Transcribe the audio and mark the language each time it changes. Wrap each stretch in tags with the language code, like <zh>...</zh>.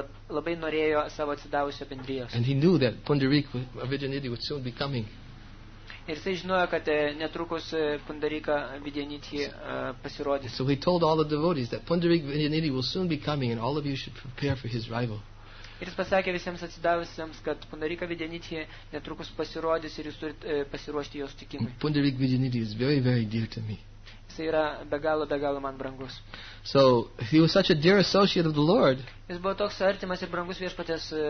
<lt>Labai norėjo savo atsidavusio bendrijos.</lt> <en>And he knew that Pundarik Vidyaniti would soon be coming.</en> <lt>Ir jis žinojo, kad netrukus Pundarika Vidyaniti pasirodys.</lt> <en>So he told all the devotees that Pundarik Vidyaniti will soon be coming and all of you should prepare for his arrival.</en> <lt>Ir jis pasakė visiems atsidavusiems, kad Pundarika Vidyaniti netrukus pasirodys ir jūs turite pasiruošti jo sutikimui.</lt> <en>Pundarik Vidyaniti is very, very dear to me.</en> <lt>Jis yra be galo, be galo man brangus.</lt> <en>So he was such a dear associate of the Lord.</en> <lt>Jis buvo toks artimas ir brangus viešpaties.</lt>